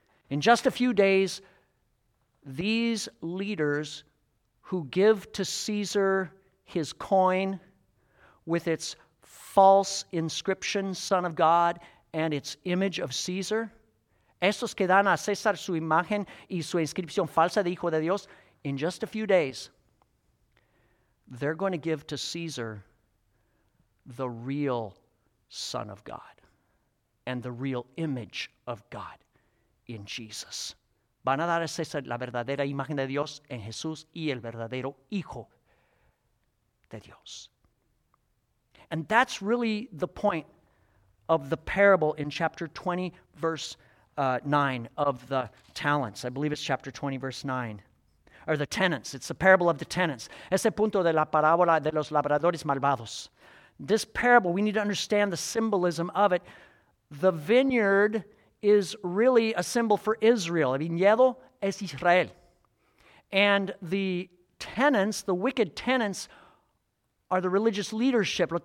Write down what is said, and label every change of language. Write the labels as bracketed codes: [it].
[en] In just a few days, these leaders who give to Caesar his coin with its false inscription, Son of God, and its image of Caesar. [es] Estos que dan a César su imagen y su inscripción falsa de Hijo de Dios. [en] In just a few days, they're going to give to Caesar the real Son of God and the real image of God in Jesus. [es] Van a dar a César la verdadera imagen de Dios en Jesús y el verdadero Hijo de Dios. [en] And that's really the point of the parable in chapter 20, verse 9 of the talents. I believe it's chapter 20, verse 9. Or the tenants. It's the parable of the tenants. [es] Ese punto de la parábola de los labradores malvados. [en] This parable, we need to understand the symbolism of it. The vineyard is really a symbol for Israel. [es] El viñedo es Israel. [en] And the tenants, the wicked tenants, are the religious leadership.